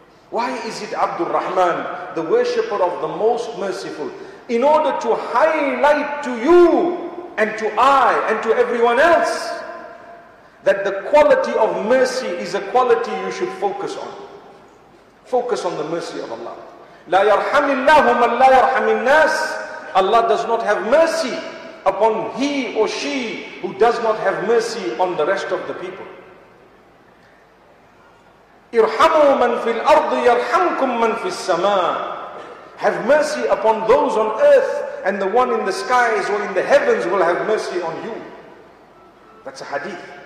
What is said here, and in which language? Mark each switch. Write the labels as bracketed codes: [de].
[en] Why is it Abdul Rahman, the worshipper of the most merciful? In order to highlight to you and to I and to everyone else that the quality of mercy is a quality you should focus on. Focus on the mercy of Allah. [ar] لا يرحم الله من لا يرحم الناس. [en] Allah does not have mercy upon he or she who does not have mercy on the rest of the people. [ar] إِرْحَمُوا مَنْ فِي الْأَرْضِ يَرْحَمْكُمْ مَنْ فِي السَّمَاءِ. [en] Have mercy upon those on earth, and the one in the skies or in the heavens will have mercy on you. That's a hadith.